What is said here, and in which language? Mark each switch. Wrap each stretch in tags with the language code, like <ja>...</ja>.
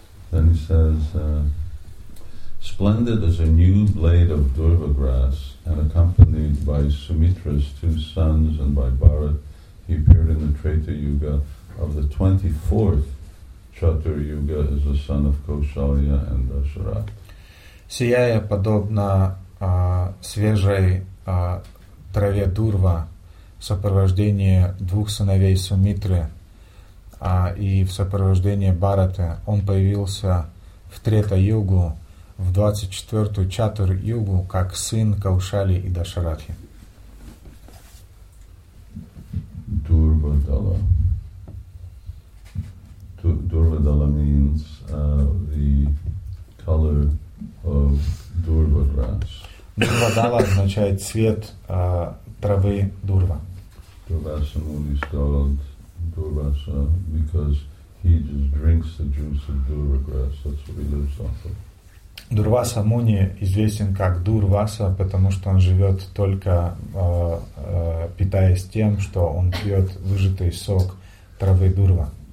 <en>Then he says, splendid as a new blade of durva grass, and accompanied by Sumitra's two sons and by Bharat, he appeared in the Treta Yuga of the 24th Chatur Yuga as the son of Kausalya and Dasharath.</en> <ru>Сияя подобно свежей траве дурва, в сопровождении двух сыновей Сумитры и в сопровождении Бараты, он появился в Трета-югу, в 24-ю Чатур-югу, как сын Каушали и Дашаратхи. Дурва-дала.</ru> <en>Дурва-дала means the color of durva grass.</en> <ru>Дурва-дала означает цвет травы дурва.</ru> <en>Durvasa Muni is called Durvasa because he just drinks the juice of durva grass. That's what he lives off of.</en> <ru>Durvasa Muni известен как Дурваса, потому что он живет только питаясь тем, что он пьет выжатый сок травы дурва.</ru>